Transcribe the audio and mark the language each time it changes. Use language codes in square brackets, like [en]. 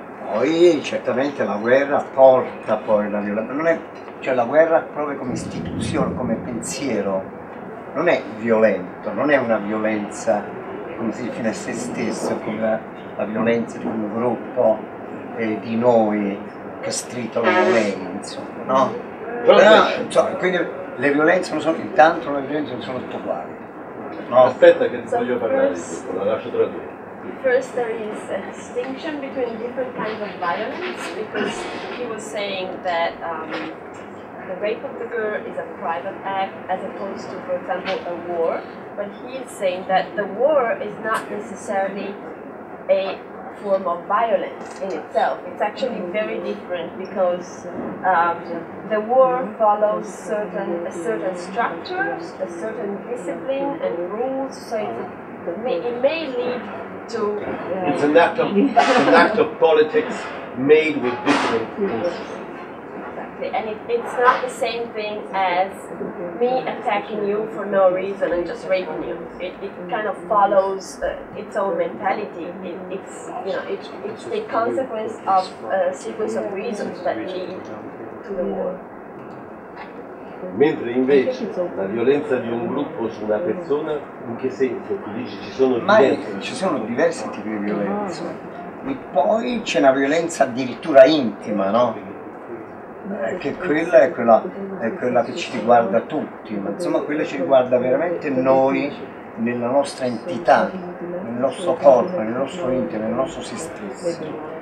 [it] Poi certamente la guerra porta poi la violenza, non è, cioè la guerra proprio come istituzione, come pensiero, non è violento, non è una violenza come si fine a se stessa, come la violenza di un gruppo di noi che stritola le lei, insomma, no? Cioè, quindi le violenze non sono, intanto le violenze non sono tutte uguali. No? Aspetta che ti voglio parlare, la lascio tradurre. [en] First, there is a distinction between different kinds of violence, because he was saying that the rape of the girl is a private act as opposed to, for example, a war. But he is saying that the war is not necessarily a form of violence in itself. It's actually very different because the war follows a certain structure, a certain discipline and rules, so it may lead to, it's an act of an act of politics made with different tools. Exactly, and it's not the same thing as me attacking you for no reason and just raping you. It kind of follows its own mentality. It's the consequence of a sequence of reasons that lead to the war. [it] Mentre invece la violenza di un gruppo su una persona, in che senso? Tu dici ci sono diversi. Ma ci sono diversi tipi di violenza. E poi c'è una violenza addirittura intima, no? Che quella che ci riguarda tutti, ma insomma quella ci riguarda veramente noi nella nostra entità, nel nostro corpo, nel nostro intimo, nel nostro se stesso.